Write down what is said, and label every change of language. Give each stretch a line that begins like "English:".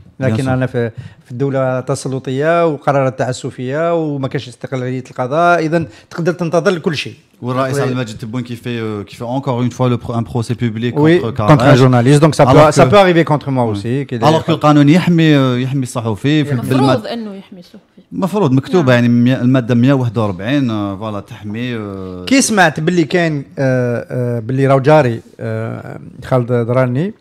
Arabic: لكن انا في الدوله التسلطيه وقرارات تعسفيه وما كاينش استقلاليه القضاء اذا تقدر تنتظر كل شيء. والرئيس عبد المجيد تبون كي في
French: encore une fois le un procès public contre un journaliste donc ça peut arriver contre moi aussi.
Arabic: alors que القانون يحمي الصحفي في المفروض انه يحمي الصحفي مفروض مكتوبه يعني الماده 141 فوالا تحمي. كي سمعت باللي كان باللي راه جاري خالد دراني